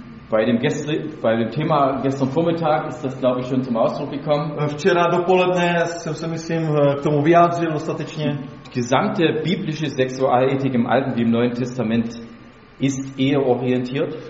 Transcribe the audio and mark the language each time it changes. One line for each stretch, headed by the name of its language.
German: Bei dem Thema gestern Vormittag ist das glaube ich schon zum Ausdruck gekommen.
Czech: Včera dopoledne jsem se myslím k tomu vyjádřil dostatečně.
German: Gesamte biblische Sexualethik im Alten wie im Neuen Testament ist eheorientiert.